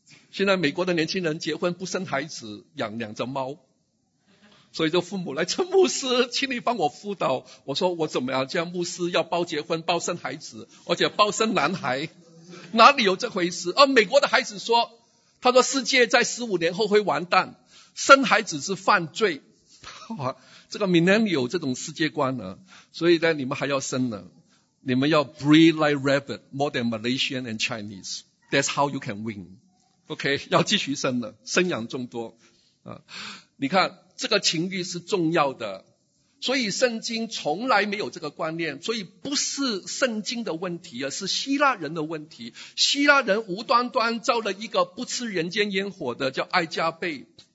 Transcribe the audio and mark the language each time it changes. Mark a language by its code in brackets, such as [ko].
[zh] 现在美国的年轻人结婚不生孩子，养两只猫，所以就父母来称牧师，请你帮我辅导。我说我怎么样叫牧师要包结婚包生孩子，而且包生男孩，哪里有这回事？而美国的孩子说，他说世界在15年后会完蛋，生孩子是犯罪。这个 millennial 这种世界观呢，所以呢你们还要生呢，你们要 [en] breed like rabbit more than Malaysian and Chinese， that's how you can win。 [zh] OK， 要继续生呢，生养众多啊。你看这个情欲是重要的，所以圣经从来没有这个观念。所以不是圣经的问题，而是希腊人的问题。希腊人无端端造了一个不吃人间烟火的叫爱加贝。